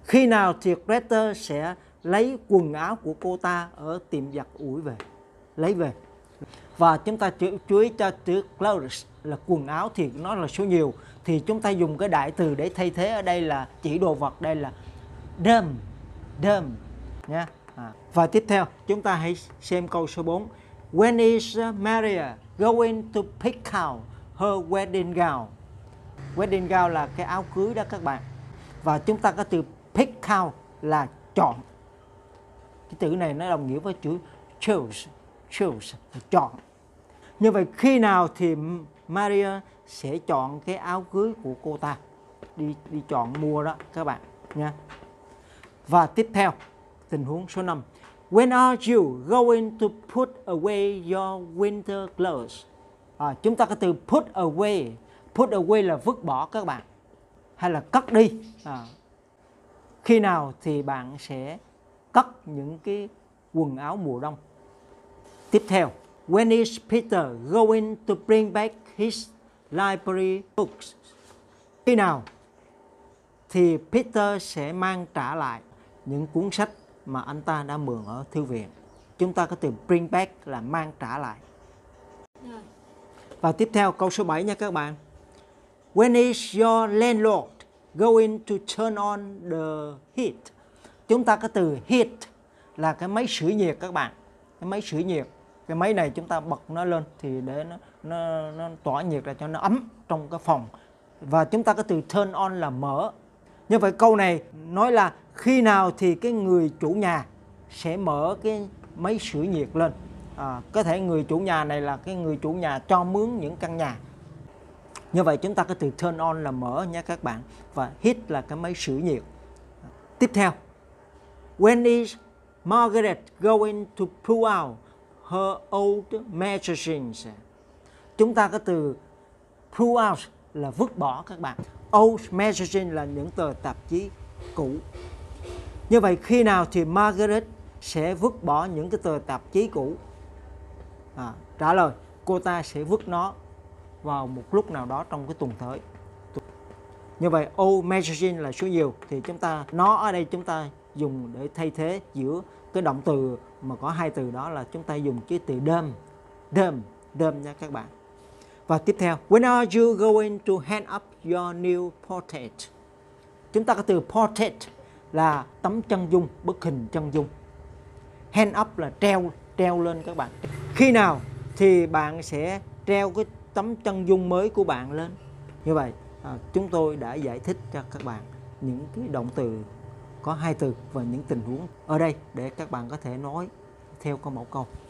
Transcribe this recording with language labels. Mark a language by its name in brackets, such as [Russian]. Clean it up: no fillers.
[Vietnamese] Khi nào thì Greta sẽ lấy quần áo của cô ta ở tiệm giặt ủi về. Lấy về. Và chúng ta chú ý cho chữ clothes là quần áo thì nó là số nhiều. Thì chúng ta dùng cái đại từ để thay thế ở đây là chỉ đồ vật, đây là them. Them. Nha. Và tiếp theo chúng ta hãy xem câu số 4. [English] When is Maria going to pick out her wedding gown? [Vietnamese] Wedding gown là cái áo cưới đó các bạn. Và chúng ta có từ pick out là chọn. Cái từ này nó đồng nghĩa với chữ choose. Choose là chọn. Như vậy khi nào thì Maria sẽ chọn cái áo cưới của cô ta? Đi chọn mua đó các bạn. Nha. Và tiếp theo tình huống số 5. [English] When are you going to put away your winter clothes? [Vietnamese] Chúng ta có từ put away. Put away là vứt bỏ các bạn. Hay là cất đi. Khi nào thì bạn sẽ cất những cái quần áo mùa đông? Tiếp theo. [English] When is Peter going to bring back his library books? [Vietnamese] Khi nào thì Peter sẽ mang trả lại những cuốn sách mà anh ta đã mượn ở thư viện? Chúng ta có từ bring back là mang trả lại. Và tiếp theo câu số 7 nha các bạn. [English] When is your landlord going to turn on the heat? [Vietnamese] Chúng ta có từ heat là cái máy sưởi nhiệt các bạn. Cái máy sưởi nhiệt. Cái máy này chúng ta bật nó lên thì để nó tỏa nhiệt ra cho nó ấm trong cái phòng. Và chúng ta có từ turn on là mở. Như vậy câu này nói là khi nào thì cái người chủ nhà sẽ mở cái máy sưởi nhiệt lên. Có thể người chủ nhà này là cái người chủ nhà cho mướn những căn nhà. Như vậy chúng ta có từ turn on là mở nha các bạn. Và heat là cái máy sưởi nhiệt. Tiếp theo. [English] When is Margaret going to pull out her old magazines? [Vietnamese] Chúng ta có từ pull out là vứt bỏ các bạn. Old magazine là những tờ tạp chí cũ. Như vậy khi nào thì Margaret sẽ vứt bỏ những cái tờ tạp chí cũ? Trả lời, cô ta sẽ vứt nó vào một lúc nào đó trong cái tuần tới. Như vậy old magazine là số nhiều. Thì chúng ta, nó ở đây chúng ta dùng để thay thế giữa cái động từ mà có hai từ đó là chúng ta dùng cái từ them. Them, them nha các bạn. Và tiếp theo, [English] when are you going to hang up your new portrait? [Vietnamese] Chúng ta có từ portrait là tấm chân dung, bức hình chân dung. Hang up là treo lên các bạn. Khi nào thì bạn sẽ treo cái tấm chân dung mới của bạn lên? Như vậy, chúng tôi đã giải thích cho các bạn những cái động từ có hai từ và những tình huống ở đây để các bạn có thể nói theo câu mẫu câu.